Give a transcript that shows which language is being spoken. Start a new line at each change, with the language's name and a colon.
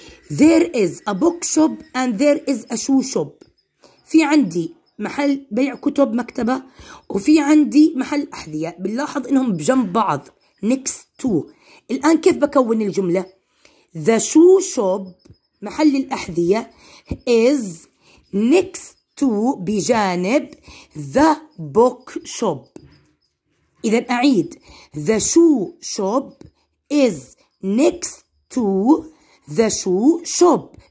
English: There is a bookshop and there is a shoe shop.
Arabic: في عندي محل بيع كتب مكتبة وفي عندي محل أحذية. بنلاحظ إنهم بجنب بعض.
English: Next to.
Arabic: الآن كيف بكون الجملة؟
English: The shoe shop
Arabic: محل الأحذية
English: is next to
Arabic: بجانب
English: the book shop.
Arabic: إذا أعيد.
English: The shoe shop is next to the shoe shop.